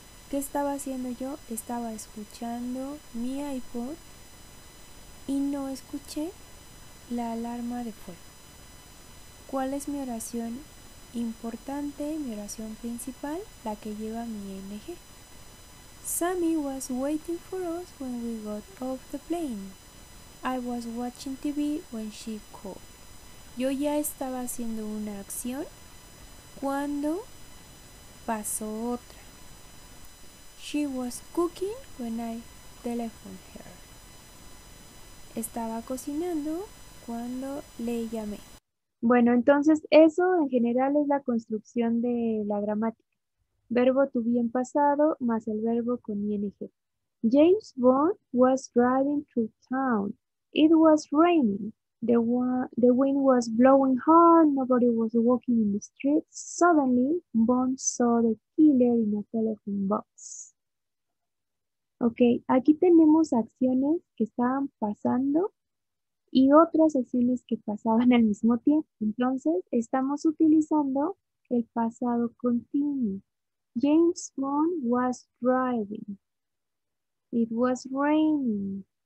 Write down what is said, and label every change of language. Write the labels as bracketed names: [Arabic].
[Spanish] ¿Qué estaba haciendo yo? Estaba escuchando mi iPod y no escuché la alarma de fuego. ¿Cuál es mi oración importante, mi oración principal, la que lleva mi ing? [English] Sammy was waiting for us when we got off the plane. I was watching TV when she called. [Spanish] Yo ya estaba haciendo una acción cuando pasó otra. [English] She was cooking when I telephoned her. [Spanish] Estaba cocinando cuando le llamé. Bueno, entonces eso en general es la construcción de la gramática. Verbo to be en pasado más el verbo con ing. [English] James Bond was driving through town. It was raining. The wind was blowing hard. Nobody was walking in the streets. Suddenly, Bond saw the killer in a telephone box. [Spanish] Ok, aquí tenemos acciones que estaban pasando y otras acciones que pasaban al mismo tiempo. Entonces, estamos utilizando el pasado continuo. [English] James Bond was driving. It was raining.